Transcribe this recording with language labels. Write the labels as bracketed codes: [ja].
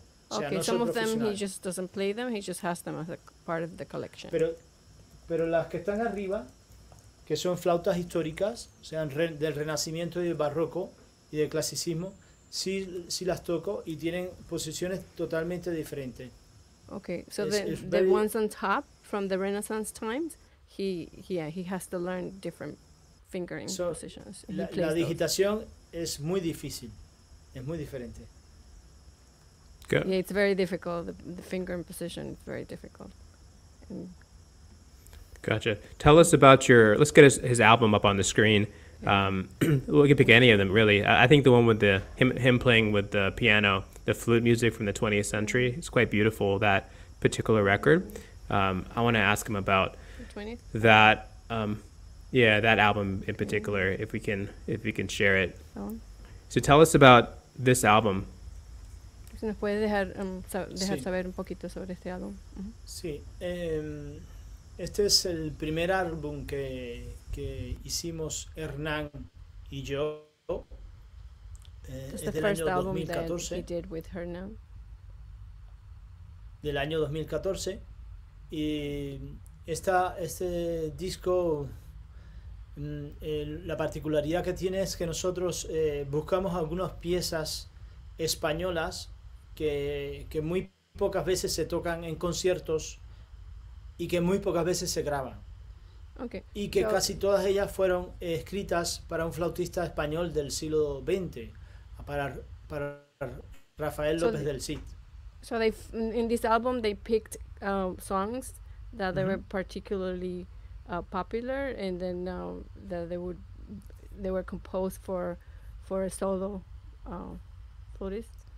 [en] Okay, some of them he just doesn't play them, he just has them as a part of the collection. [es] Pero las que están arriba, que son flautas históricas, o sea, del Renacimiento y del Barroco y del Clasicismo, sí las toco y tienen posiciones totalmente diferentes. [en] Okay, so the ones on top from the Renaissance times, he has to learn different fingering positions. [es] La digitación es muy difícil, es muy diferente. [en] Good. Yeah, it's very difficult. The finger in position is very difficult. Gotcha. Tell us about let's get his album up on the screen. We can pick any of them, really. I think the one with the him playing with the piano, the flute music from the 20th century, it's quite beautiful, that particular record. I want to ask him about that. Yeah, that album in particular, if we can share it. So tell us about this album. [es] ¿Se nos puede dejar saber un poquito sobre este álbum? Sí. Este es el primer álbum que hicimos Hernán y yo. [en] It's the first album that he did with Hernán. [es] Del año 2014. Y este disco... la particularidad que tiene es que nosotros buscamos algunas piezas españolas que muy pocas veces se tocan en conciertos y que muy pocas veces se graban. [en] Okay. [es] Y que so, casi todas ellas fueron escritas para un flautista español del siglo XX, para Rafael López del Cid. [en] So they in this album they picked songs that they were particularly popular, and then that they were composed for a solo flautist.